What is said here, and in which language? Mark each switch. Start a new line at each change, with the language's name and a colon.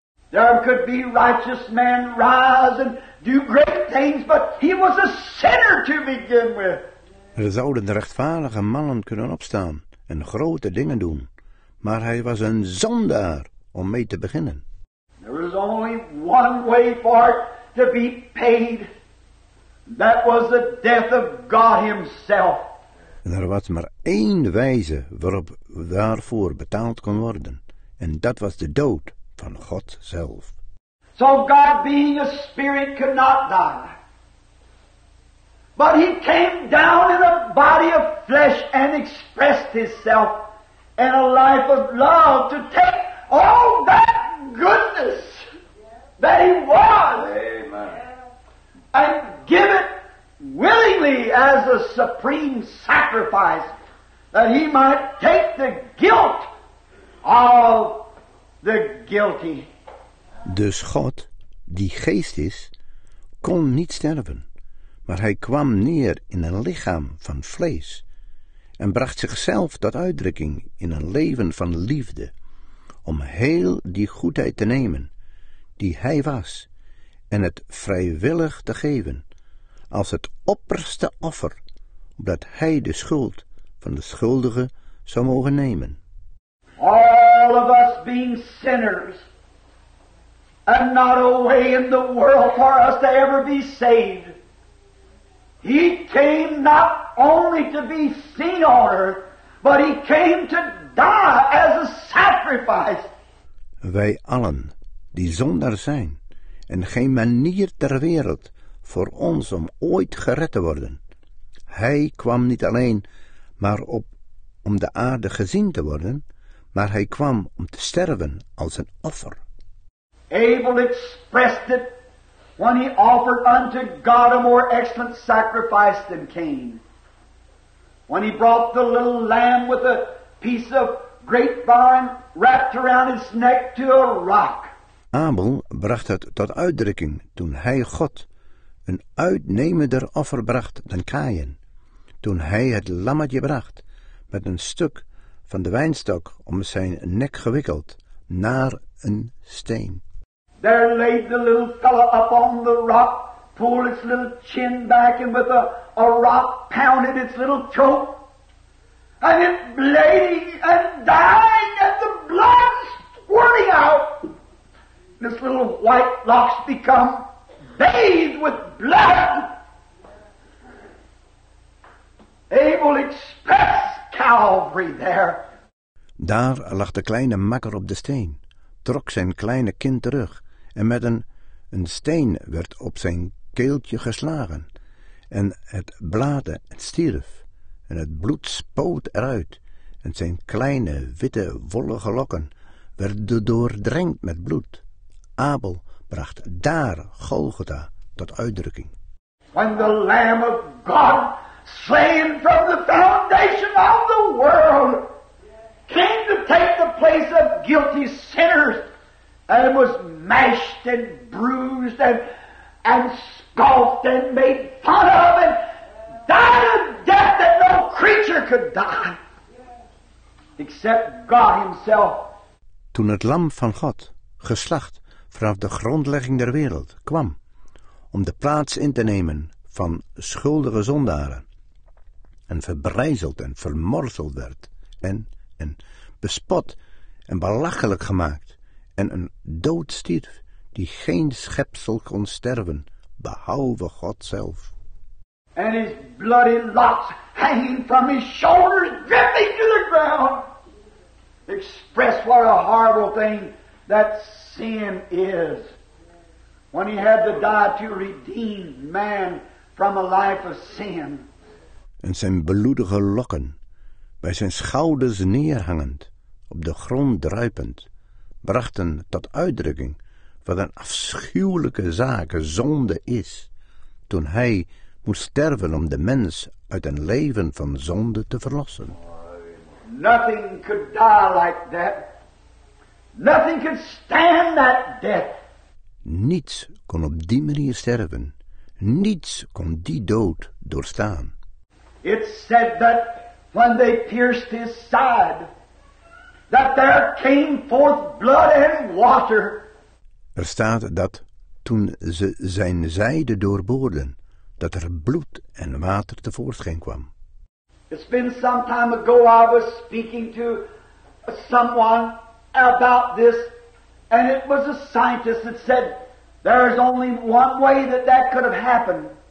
English: There could be righteous man rise and do great things, but he was a sinner to begin with.
Dutch: Er zouden rechtvaardige mannen kunnen opstaan en grote dingen doen, maar hij was een zondaar om mee te beginnen.
English: There was only one way for it to be paid. That was the death of God himself.
Dutch: En er was maar één wijze waarop daarvoor betaald kon worden. En dat was de dood van God zelf.
English: So God, being a spirit, could not die. But he came down in a body of flesh and expressed himself in a life of love to take all that goodness that he was. Amen. And give it willingly as a supreme sacrifice that he might take the guilt of the guilty.
Dutch: Dus God, die geest is, kon niet sterven. Maar hij kwam neer in een lichaam van vlees en bracht zichzelf tot uitdrukking in een leven van liefde, om heel die goedheid te nemen die hij was en het vrijwillig te geven als het opperste offer, opdat hij de schuld van de schuldige zou mogen nemen.
English: All of us being sinners, and not a way in the world for us to ever be saved. He came not only to be seen on earth, but he came to die as a sacrifice.
Dutch: Wij allen die zondaar zijn en geen manier ter wereld voor ons om ooit gered te worden. Hij kwam niet alleen maar op om de aarde gezien te worden, maar hij kwam om te sterven als een offer.
English: Abel expressed it when he offered unto God a more excellent sacrifice than Cain. When he brought the little lamb with a piece of grapevine wrapped around his neck to a rock.
Dutch: Abel bracht het tot uitdrukking toen hij God een uitnemender offer bracht dan Kaïn. Toen hij het lammetje bracht met een stuk van de wijnstok om zijn nek gewikkeld naar een steen.
English: There laid the little fellow up on the rock, pulled its little chin back, and with a rock pounded its little throat. And it bleeding and dying, and the blood squirting out. This little white locks become bathed with blood. Abel expressed Calvary there.
Dutch: Daar lag de kleine makker op de steen, trok zijn kleine kind terug. En met een steen werd op zijn keeltje geslagen. En het blaadde en stierf. En het bloed spoot eruit. En zijn kleine, witte, wollige lokken werden doordrenkt met bloed. Abel bracht daar Golgotha tot uitdrukking.
English: When the Lamb of God, slain from the foundation of the world, came to take the place of guilty sinners, and was mashed and bruised and scoffed and made fun of and died a death that no creature could die except God himself.
Dutch: Toen het lam van God, geslacht vanaf de grondlegging der wereld, kwam om de plaats in te nemen van schuldige zondaren en verbrijzeld en vermorzeld werd en bespot en belachelijk gemaakt en een dood stierf die geen schepsel kon sterven, behalve God zelf.
English: And his bloody locks hanging from his shoulders, dripping to the ground, express what a horrible thing that sin is. When he had to die to redeem man from a life of sin.
Dutch: En zijn bloedige lokken, bij zijn schouders neerhangend, op de grond druipend, brachten tot uitdrukking wat een afschuwelijke zaak zonde is, toen hij moest sterven om de mens uit een leven van zonde te verlossen.
English: Nothing could die like that. Nothing could stand that death.
Dutch: Niets kon op die manier sterven. Niets kon die dood doorstaan.
English: It said that when they pierced his side, that there came forth blood and water.
Dutch: Er staat dat toen ze zijn zijde doorboorden, dat er bloed en water tevoorschijn kwam.
English: It's been some time ago I was speaking to someone about this, and it was a scientist that said there is only one way that that could have happened.